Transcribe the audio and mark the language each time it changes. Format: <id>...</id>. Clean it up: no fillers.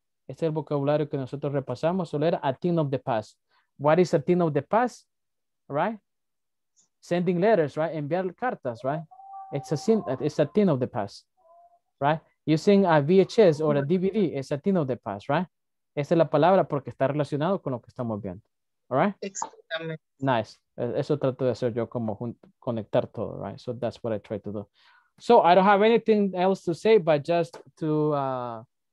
<es>Este es el vocabulario que nosotros repasamos, solo era</es> <en>a thing of the past. What is a thing of the past? Right? Sending letters, right?</en> <es>Enviar cartas,</es> <en>right? It's a thing of the past, right? Using a VHS or a DVD, it's a thing of the past, right?</en> <es>Esa es la palabra porque está relacionado con lo que estamos viendo,</es> <en>all right?</en> <es>Exactamente.</es> <en>Nice.</en> <es>Eso trato de hacer yo como conectar todo,</es> <en>right? So that's what I try to do. So I don't have anything else to say, but just to...</en>